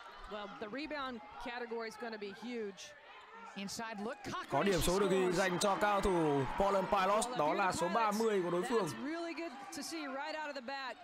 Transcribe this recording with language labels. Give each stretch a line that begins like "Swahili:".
English: Well, the rebound category is going to be huge. Inside, look,
Vietnamese: có điểm số được ghi dành cho cao thủ Portland Pilots, đó là số 30 của đối phương.
English: Really good to see right out of the bat.